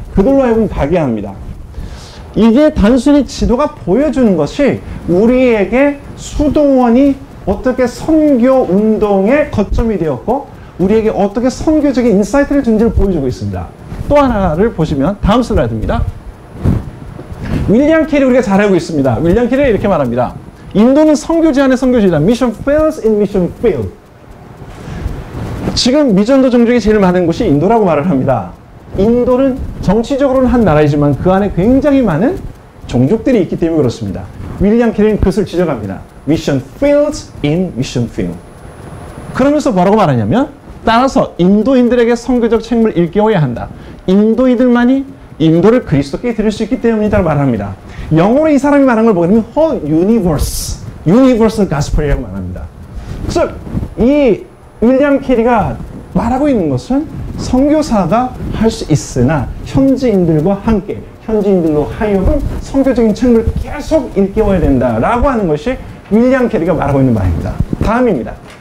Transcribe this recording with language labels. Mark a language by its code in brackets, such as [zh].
[ko] 그들로 하여금 가게 합니다. 이게 단순히 지도가 보여주는 것이 우리에게 수도원이 어떻게 선교 운동의 거점이 되었고 우리에게 어떻게 선교적인 인사이트를 준지를 보여주고 있습니다. 또 하나를 보시면 다음 슬라이드입니다. 윌리엄 케리 우리가 잘 알고 있습니다. 윌리엄 케리가 이렇게 말합니다. 인도는 선교지 안에 선교지다. [en] Mission fails in mission field. [ko] 지금 미전도 종족이 제일 많은 곳이 인도라고 말을 합니다. 인도는 정치적으로는 한 나라이지만 그 안에 굉장히 많은 종족들이 있기 때문에 그렇습니다. 윌리엄 케리는 그것을 지적합니다. [en] Mission fails in mission field. [ko] 그러면서 뭐라고 말하냐면 따라서 인도인들에게 선교적 책임을 일깨워야 한다. 인도인들만이 인도를 그리스도께 드릴 수 있기 때문이라고 말합니다. 영어로 이 사람이 말한 걸 보면 [en] whole universe, universal gospel [ko] 이라고 말합니다. 즉, 이 윌리엄 케리가 말하고 있는 것은 선교사가 할 수 있으나 현지인들과 함께 현지인들로 하여금 선교적인 책임을 계속 일깨워야 된다라고 하는 것이 윌리엄 케리가 말하고 있는 말입니다. 다음입니다.